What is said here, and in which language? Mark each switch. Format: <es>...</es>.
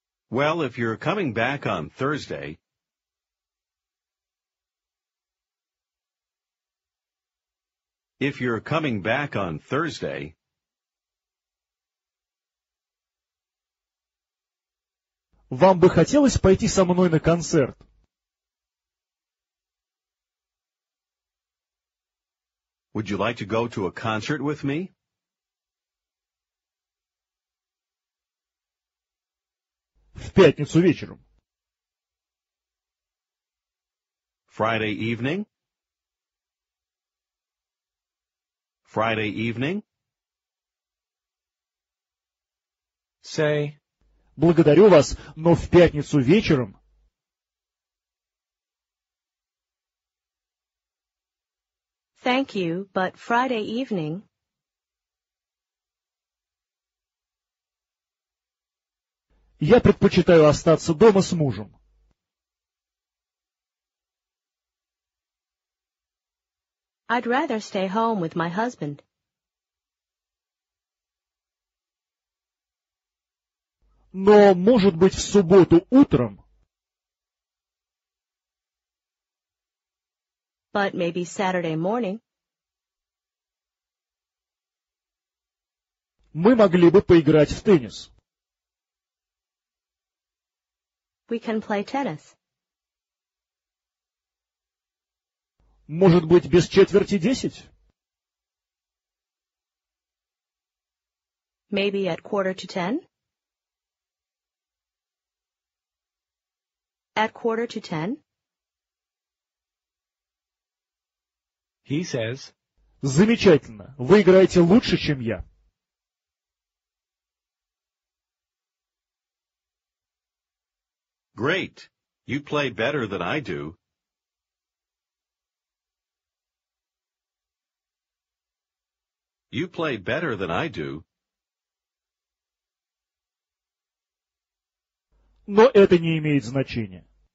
<en>well, if you're coming back on Thursday, if you're coming back on Thursday,</en> <ru>вам бы хотелось пойти со мной на концерт?</ru> <en>Would you like to go to a concert with me?</en> <ru>В пятницу вечером.</ru> <en>Friday evening. Friday evening. Say.</en> <ru>Благодарю вас, но в пятницу вечером.</ru> <en>Thank you, but Friday evening.</en> <ru>Я предпочитаю остаться дома с мужем.</ru> <en>I'd rather stay home with my husband.</en> <ru>Но, может быть, в субботу утром?</ru> <en>But maybe Saturday morning.</en> <ru>Мы могли бы поиграть в теннис.</ru> <en>We can play tennis.</en> <ru>Может быть, без четверти 10?</ru> <en>Maybe at 9:45? At 9:45? He says,</en> <ru>замечательно, вы играете лучше, чем я.</ru> <en>Great. You play better than I do. You play better than I do.</en> <ru>Но это не имеет значения.</ru>